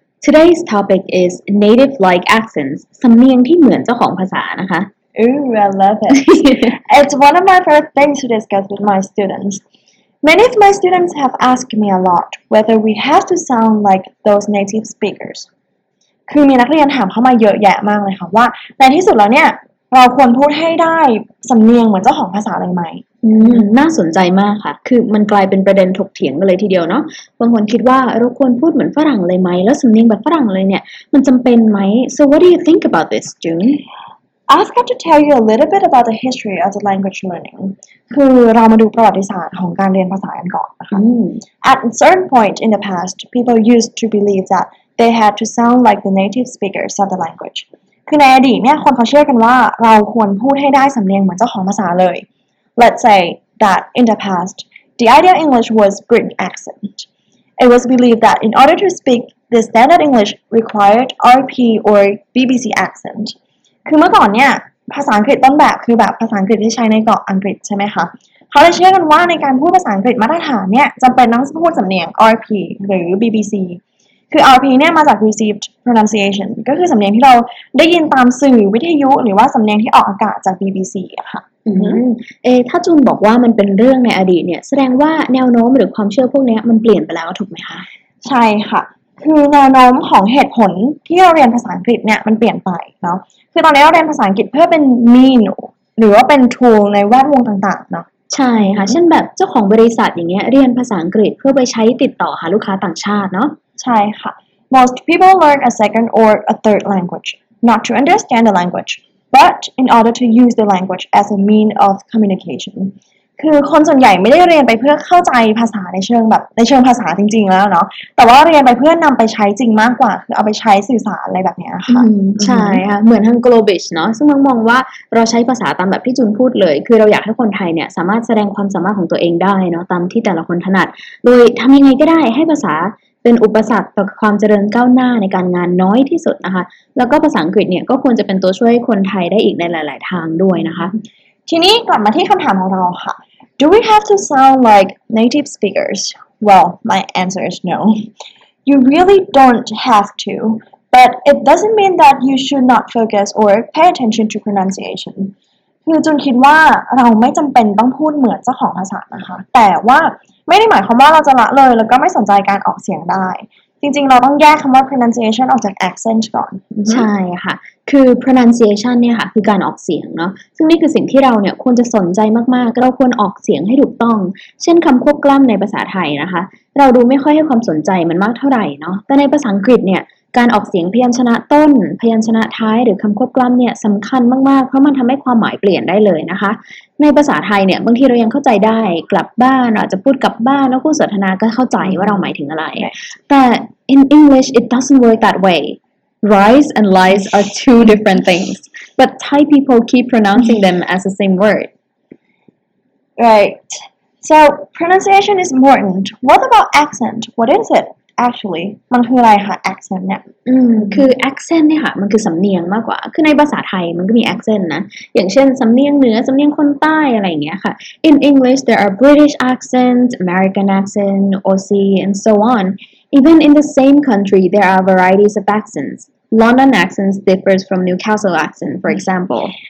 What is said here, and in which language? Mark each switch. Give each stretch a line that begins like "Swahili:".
English: Today's topic is native-like accents, something that looks like the language. Ooh, I love it. It's one of my favorite things to discuss with my students. Many of my students have asked me a lot whether we have to sound like those native speakers.
Thai: คือมีนักเรียนถามเข้ามาเยอะแยะมากเลยค่ะว่าในที่สุดแล้วเนี่ยเราควรพูดให้ได้สำเนียงเหมือนเจ้าของภาษาอะไรไหม น่าสนใจมากค่ะคือมันกลายเป็นประเด็นถกเถียงกันเลยทีเดียวเนาะบางคนคิดว่าเราควรพูดเหมือนฝรั่งเลยไหมแล้วสำเนียงแบบฝรั่งเลยเนี่ยมันจำเป็นไหม
English: So what do you think about this, June? I've got to tell you a little bit about the history of the language learning.
Thai: คือเรามาดูประวัติศาสตร์ของการเรียนภาษากันก่อนนะคะ
English: At a certain point in the past, people used to believe that they had to sound like the native speakers of the language.
Thai: คือในอดีตเนี่ยคนเขาเชื่อกันว่าเราควรพูดให้ได้สำเนียงเหมือนเจ้าของภาษาเลย
English: Let's say that in the past, the ideal English was British accent. It was believed that in order to speak the standard English required RP or BBC accent.
Thai: คือเมื่อก่อนเนี่ยภาษาอังกฤษต้นแบบคือแบบภาษาอังกฤษที่ใช้ในเกาะอังกฤษใช่ไหมคะเขาเลยเชื่อกันว่าในการพูดภาษาอังกฤษมาตรฐานเนี่ยจำเป็นต้องพูดสำเนียง RP หรือ BBCคือ RP เนี่ยมาจาก Received Pronunciation ก็คือสำเนียงที่เราได้ยินตามสื่อวิทยุหรือว่าสำเนียงที่ออกอากาศจาก BBC อะค่ะ เอถ้าจูนบอกว่ามันเป็นเรื่องในอดีตเนี่ยแสดงว่าแนวโน้มหรือความเชื่อพวกนี้มันเปลี่ยนไปแล้วถูกไหมคะ ใช่ค่ะคือแนวโน้มของเหตุผลที่เราเรียนภาษาอังกฤษเนี่ยมันเปลี่ยนไปเนาะคือตอนนี้เราเรียนภาษาอังกฤษเพื่อเป็น mean หรือว่าเป็น tool ในแวดวงต่างๆเนาะ ใช่ค่ะเช่นแบบเจ้าของบริษัทอย่างเงี้ยเรียนภาษาอังกฤษเพื่อไปใช้ติดต่อหาลูกค้าต่างชาติเนาะ ใช่ค่ะ
English: Most people learn a second or a third language not to understand the language but in order to use the language as a mean of communication
Thai: คือคนส่วนใหญ่ไม่ได้เรียนไปเพื่อเข้าใจภาษาในเชิงแบบในเชิงภาษาจริงๆแล้วเนาะแต่ว่าเรียนไปเพื่อนำไปใช้จริงมากกว่าคือเอาไปใช้สื่อสารอะไรแบบเนี้ยค่ะ ใช่ค่ะเหมือนทาง Globish เนาะซึ่งมองว่าเราใช้ภาษาตามแบบที่จุนพูดเลยคือเราอยากให้คนไทยเนี่ยสามารถแสดงความสามารถของตัวเองได้เนาะตามที่แต่ละคนถนัดโดยทำยังไงก็ได้ให้ภาษาเป็นอุปสรรคต่อความเจริญก้าวหน้าในการงานน้อยที่สุดนะคะแล้วก็ภาษาอังกฤษเนี่ยก็ควรจะเป็นตัวช่วยคนไทยได้อีกในหลายๆทางด้วยนะคะ ทีนี้กลับมาที่คำถามของเราค่ะ
English: Do we have to sound like native speakers? Well, my answer is no. You really don't have to, but it doesn't mean that you should not focus or pay attention to pronunciation.
Thai: คือจุนคิดว่าเราไม่จำเป็นต้องพูดเหมือนเจ้าของภาษานะคะแต่ว่าไม่ได้หมายความว่าเราจะละเลยแล้วก็ไม่สนใจการออกเสียงได้จริงๆเราต้องแยกคำว่า pronunciation ออกจาก accent ก่อน ใช่ค่ะคือ pronunciation เนี่ยค่ะคือการออกเสียงเนาะซึ่งนี่คือสิ่งที่เราเนี่ยควรจะสนใจมากๆเราควรออกเสียงให้ถูกต้องเช่นคำควบกล้ำในภาษาไทยนะคะเราดูไม่ค่อยให้ความสนใจมันมากเท่าไหร่เนาะแต่ในภาษาอังกฤษเนี่ยการออกเสียงพยัญชนะต้นพยัญชนะท้ายหรือคำควบกล้ำเนี่ยสำคัญมากๆเพราะมันทำให้ความหมายเปลี่ยนได้เลยนะคะในภาษาไทยเนี่ยบางทีเรายังเข้าใจได้กลับบ้านอาจจะพูดกลับบ้านแล้วผู้สนทนาก็เข้าใจว่าเราหมายถึงอะไร
English: right.
Thai: แต่
English: in English it doesn't work that way rise and lies are two different things but Thai people keep pronouncing them as the same word right so pronunciation is important what about accent what is itactually
Thai: มันคืออะไรคะ
English: accent เนี่ย
Thai: คือ accent เนี่ยค่ะมันคือสำเนียงมากกว่าคือในภาษาไทยมันก็มี accent นะอย่างเช่นสำเนียงเหนือสำเนียงคนใต้อะไรอย่างเงี้ยค่ะ
English: in English there are British accent American accent Aussie and so on even in the same country there are varieties of accents London accent differs from Newcastle accent for example